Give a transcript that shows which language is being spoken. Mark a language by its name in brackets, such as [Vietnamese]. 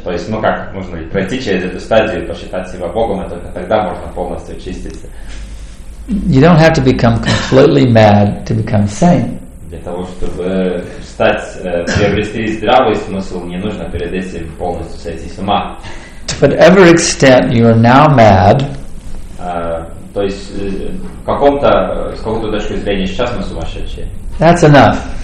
[Russian] То есть, ну как, можно ли пройти через эту стадию, посчитать себя Богом, и только тогда можно полностью очиститься. [English] You don't have to become completely mad to become sane. [Russian] Для того, чтобы приобрести здравый смысл, не нужно перед этим полностью сойти с ума. [English] To whatever extent you are now mad. [Russian] То есть с какой-то точки зрения сейчас мы сумасшедшие. [English] That's enough.